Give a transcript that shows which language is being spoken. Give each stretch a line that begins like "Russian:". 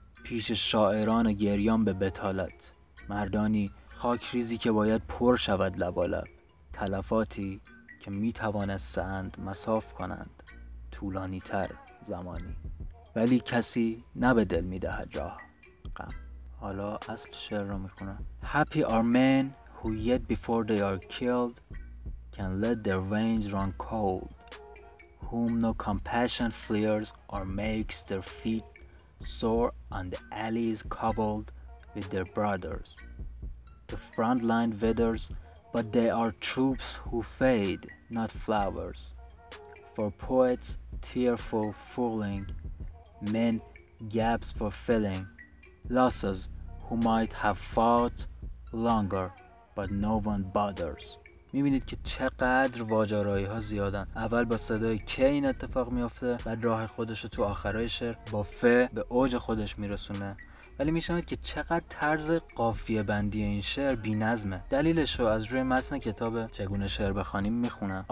Persian: پیش شاعران گریان به بتالت، مردانی خاک ریزی که باید پر شود لبالب، تلفاتی که می توانستند مصاف کنند طولانی تر زمانی، ولی کسی نه به دل می دهد راه غم. حالا اصل شعر رو میخونم:
English: Happy are men who yet before they are killed can let their veins run cold, whom no compassion flares or makes their feet sore on the alleys cobbled with their brothers. The front line withers, but they are troops who fade, not flowers. For poets tearful fooling, men gaps for filling, losses who might have fought longer but no one bothers.
Persian: میبینید که چقدر واجارایی ها زیادن. اول با صدای که این اتفاق میافته، بعد راه خودش رو تو آخرای شعر با ف به اوج خودش میرسونه، ولی میشنوید که چقدر طرز قافیه بندی این شعر بی نظمه. دلیلش رو از روی متن کتاب چگونه شعر بخوانیم میخونم.